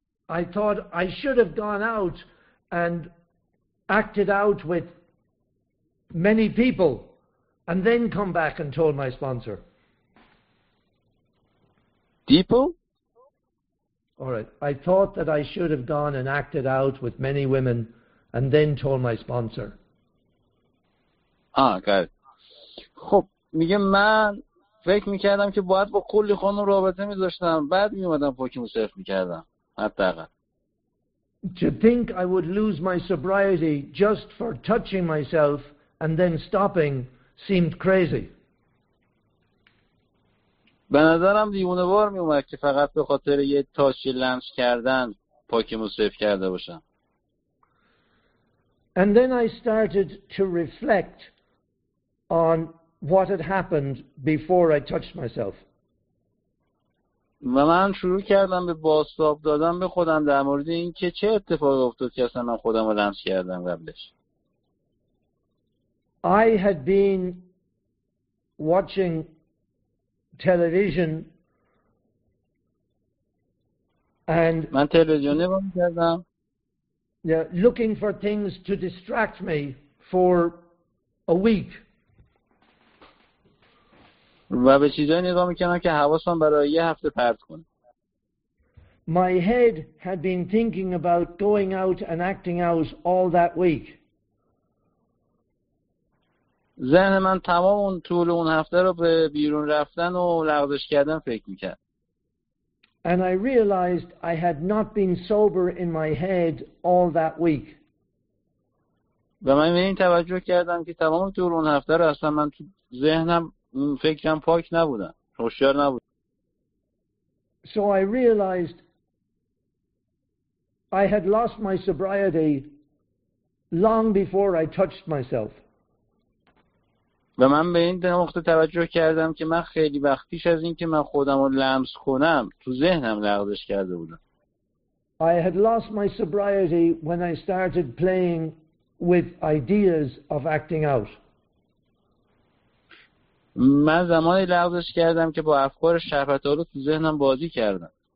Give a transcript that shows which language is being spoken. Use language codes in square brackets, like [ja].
[en] I thought I should have gone out and acted out with many people and then come back and told my sponsor. People? All right. I thought that I should have gone and acted out with many women and then told my sponsor. Ah, got it. [fa] خب میگه من فکر میکردم که باید با کلی خانم رابطه میذاشتم بعد میومدم پاکیمو صرف میکردم. حداقل [en] to think I would lose my sobriety just for touching myself and then stopping seemed crazy. [fa] به نظرم دیوونه وار میومد که فقط به خاطر یه تاچ لمس کردن پاکیمو صرف کرده باشم. [en] And then I started to reflect on what had happened before I touched myself. [fa] من شروع کردم به بازتاب دادن به خودم در مورد این که چه اتفاقی افتاد که اصلا من خودم رو لمس کردم قبلش. [en] I had been watching television And [fa] من تلویزیون نگاه می‌کردم. [en] Yeah, looking for things to distract me for a week. [fa] و به چیزایی نگاه می‌کردم که حواسم برای یه هفته پرت کنه. [en] My head had been thinking about going out and acting out all that week. [fa] ذهن من تمام اون طول اون هفته رو به بیرون رفتن و لغزش کردن فکر می‌کرد. [en] And I realized I had not been sober in my head all that week. [fa] و من به این توجه کردم که تمام طول اون هفته رو اصلا من تو ذهنم فکرم پاک نبودم. هوشیار نبودم. [en] So I realized I had lost my sobriety long before I touched myself. [fa] و من به این نقطه توجه کردم که من خیلی وقت پیش از این که من خودم رو لمس کنم تو ذهنم لغزش کرده بودم. [en] I had lost my sobriety when I started playing with ideas of acting out. [fa] من زمانی لغزش کردم که با افکار شهوت‌آلود تو ذهنم بازی کردم.